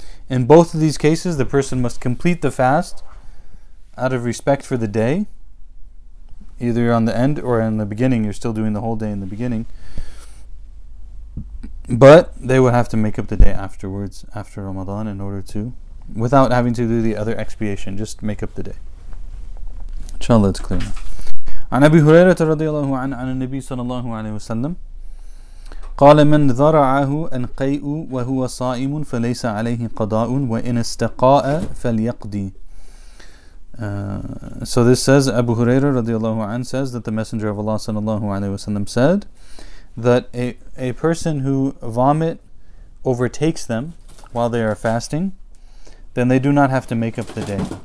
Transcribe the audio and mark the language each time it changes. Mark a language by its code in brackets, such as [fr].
[en] In both of these cases, the person must complete the fast out of respect for the day. Either on the end or in the beginning, you're still doing the whole day in the beginning. But they would have to make up the day afterwards, after Ramadan, in order to, without having to do the other expiation, just make up the day. Inshallah, it's clear now. [ar] عن أبي هريرة رضي الله عنه عن النبي صلى الله عليه وسلم قال من ذرعه القيء وهو صائم فليس عليه قضاء وإن استقاء فليقضي. [en] So this says, Abu Huraira radiallahu an says that the Messenger of Allah sallallahu alayhi wasallam said that a person who vomit overtakes them while they are fasting, then they do not have to make up the day.